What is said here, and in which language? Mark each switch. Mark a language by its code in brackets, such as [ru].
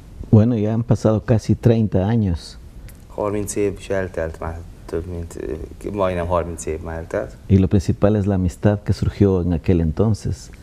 [es] Bueno, ya han pasado casi 30 años. [hu] 30 év is eltelt már, több mint, majdnem 30 év már eltelt. [es] Y lo principal es la amistad que surgió en aquel entonces.